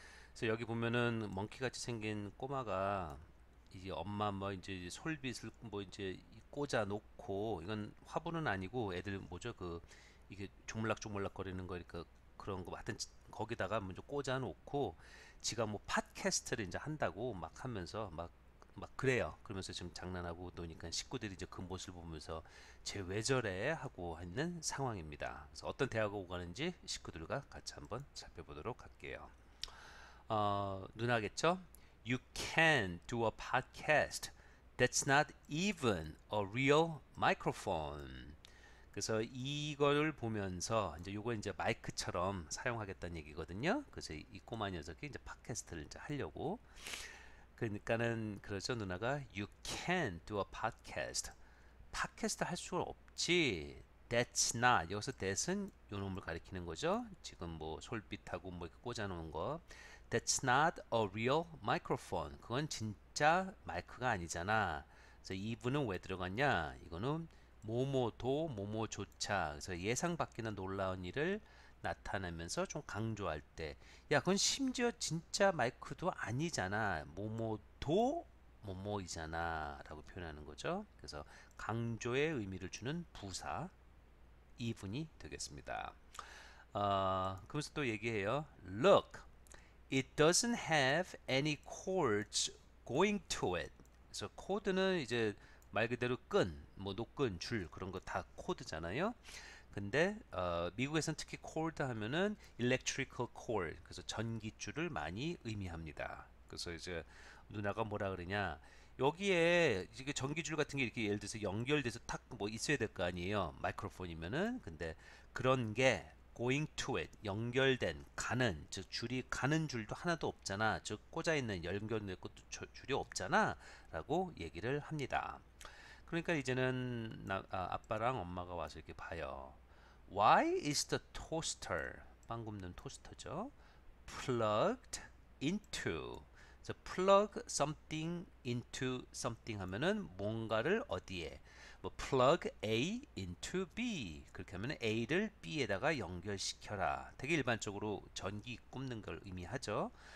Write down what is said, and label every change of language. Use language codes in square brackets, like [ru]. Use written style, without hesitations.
[ko] 그래서 여기 보면은 멍키같이 생긴 꼬마가 이제 엄마 뭐 이제 솔빗을 뭐 이제 꽂아놓고, 이건 화분은 아니고 애들 뭐죠 그 이게 주물락주물락 거리는 거니까 그런 거 하여튼 거기다가 먼저 꽂아놓고 지가 뭐 팟캐스트를 이제 한다고 막 하면서 막 그래요. 그러면서 지금 장난하고 노니까 식구들이 이제 그 모습을 보면서 쟤왜 저래 하고 있는 상황입니다. 그래서 어떤 대화가 오가는지 식구들과 같이 한번 살펴보도록 할게요. 누나겠죠? [en] You can do a podcast. That's not even a real microphone. [ko] 그래서 이걸 보면서 이제 요거 이제 마이크처럼 사용하겠다는 얘기거든요. 그래서 이 꼬마 녀석이 이제 팟캐스트를 이제 하려고. 그러니까는 그러죠. 누나가 [en] You can do a podcast. [ko] 팟캐스트 할수 없지. [en] That's not. [ko] 여기서 that은 요 놈을 가리키는 거죠. 지금 뭐 솔빗하고 뭐 이렇게 꽂아놓은 거. [en] That's not a real microphone. [ko] 그건 진짜 마이크가 아니잖아. 그래서 이분은 왜 들어갔냐? 이거는 모모도 모모조차. 그래서 예상밖이나 놀라운 일을 나타내면서 좀 강조할 때. 야, 그건 심지어 진짜 마이크도 아니잖아. 모모도 모모이잖아. 라고 표현하는 거죠. 그래서 강조의 의미를 주는 부사. 이분이 되겠습니다. 그러면서 또 얘기해요. [en] Look, it doesn't have any cords going to it. [ko] 그래서 코드는 이제 말 그대로 끈, 뭐 노끈, 줄 그런 거다 코드잖아요. 근데 미국에선 특히 코드 하면은 [en] electrical cord, [ko] 그래서 전기줄을 많이 의미합니다. 그래서 이제 누나가 뭐라 그러냐? 여기에 이게 전기줄 같은 게 이렇게 예를 들어서 연결돼서 탁뭐 있어야 될거 아니에요. 마이크로폰이면은. 근데 그런 게 [en] going to it, [ko] 연결된, 가는, 즉 줄이 가는 줄도 하나도 없잖아. 즉 꽂아 있는 연결된 것도 줄이 없잖아. 라고 얘기를 합니다. 그러니까 이제는 아빠랑 엄마가 와서 이렇게 봐요. [en] Why is the toaster, [ko] 빵 굽는 토스터죠? [en] Plugged into. [ko] 그래서 [en] plug something into something [ko] 하면은 뭔가를 어디에. 뭐 [en] plug A into B. [ko] 그렇게 하면 A를 B에다가 연결시켜라. 되게 일반적으로 전기 꼽는 걸 의미하죠.